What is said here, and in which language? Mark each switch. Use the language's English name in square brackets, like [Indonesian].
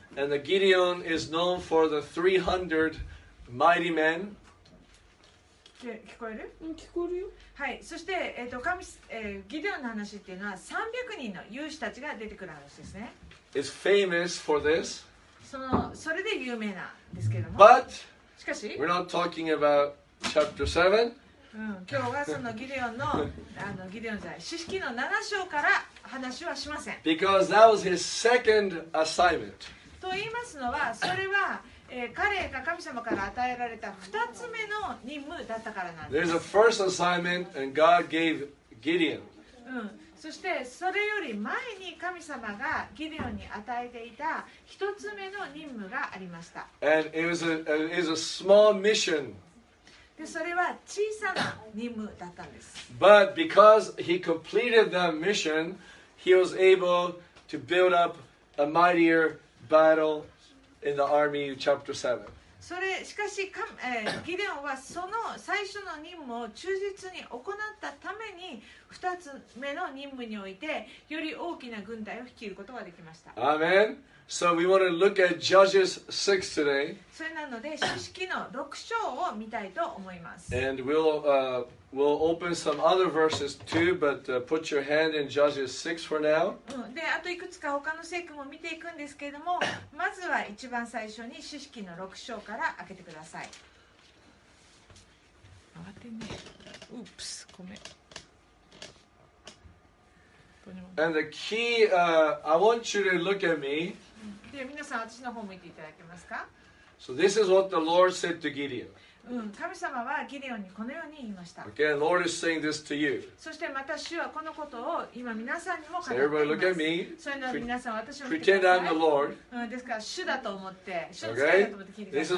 [English] And the Gideon is known for the 300 mighty men. [Japanese] 聞こえる？うん、聞こえるよ。はい、そして、ギデオンの話っていうのは300人の勇士たちが出てくる話ですね。 [English] It's famous for this. [Japanese] それで有名なんですけども。 [English] But, [Japanese] しかし、 [English] we're not talking about chapter 7. [Japanese] 今日はそのギデオンの、ギデオンじゃない、詩式の7章から話はしません。 [English] Because that was his second assignment. [Japanese] と言いますのは、それは、彼が神様から与えられた2つ目の任務だったからなんです。 [English] There's a first assignment and God gave Gideon. [Japanese] そしてそれより前に神様がギデオンに与えていた1つ目の任務がありました。 [English] And it was a small mission. [Japanese] で、それは小さな任務だったんです。 [English] But because he completed that mission, he was able to build up a mightier battleIn the army, chapter 7. [Japanese] それしかし、ギデオンはその最初の任務を忠実に行ったために2つ目の任務においてより大きな軍隊を率いることができました。 [English] Amen. So we want to look at Judges 6 today. [Japanese] それなので詩式の6章を見たいと思います。 [English] And we'll open some other verses too, but put your hand in Judges 6 for now. [Japanese] で、あといくつか他の聖句も見ていくんですけれども、まずは一番最初に詩式の6章から開けてください。慌てね。Oops, ごめん。 [English] And the key, I want you to look at me. [Japanese] で、皆さん私の方見ていただけますか? [English] So this is what the Lord said to Gideon. [Japanese] 神様はギデオンにこのように言いました。 [English] Okay, Lord is saying this to you. [Japanese] そしてまた主はこのことを今皆さんにも語っています [English] 。 Everybody look at me. [Japanese] それなら皆さん私を見てください。 [English] Pretend I'm the Lord. [Japanese] ですから主だと思って、主の使いだと思って聞いてください。